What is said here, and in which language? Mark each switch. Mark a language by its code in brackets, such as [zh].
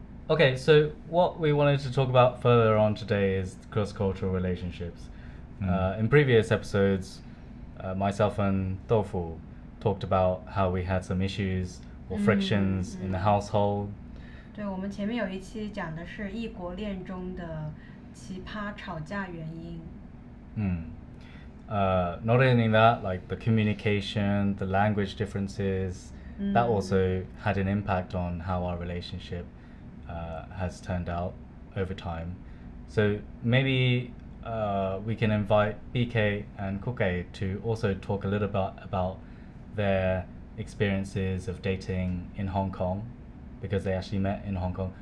[en] Okay, so what we wanted to talk about further on today is cross-cultural relationships. In previous episodes, myself and Doufu talked about how we had some issues or frictions in the household. [zh] 对，我们前面有一期讲的是异国恋中的奇葩吵架原因。 [en] Not only that, like the communication, the language differences, that also had an impact on how our relationship has turned out over time. So maybe we can invite BK and Kuke to also talk a little bit about their experiences of dating in Hong Kong, because they actually met in Hong Kong.